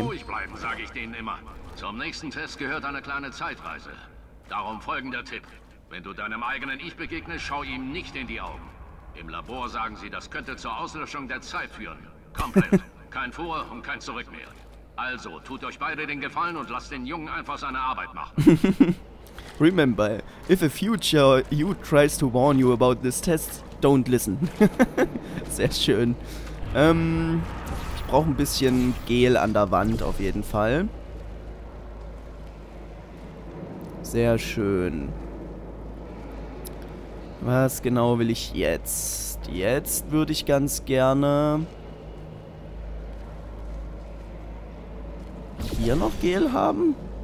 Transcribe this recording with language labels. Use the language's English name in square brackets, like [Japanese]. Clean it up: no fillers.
[German] Ruhig bleiben, sage ich denen immer. Zum nächsten Test gehört eine kleine Zeitreise. Darum folgender Tipp. Wenn du deinem eigenen Ich begegnest, schau ihm nicht in die Augen. Im Labor sagen sie, das könnte zur Auslöschung der Zeit führen. Komplett. Kein Vor und kein Zurück mehr. Also, tut euch beide den Gefallen und lasst den Jungen einfach seine Arbeit machen. [English] Remember, if a future you tries to warn you about this test, don't listen. [German] Sehr schön. Ich brauche ein bisschen Gel an der Wand auf jeden Fall. Sehr schön. Was genau will ich jetzt? Jetzt würde ich ganz gerne hier noch Gel haben.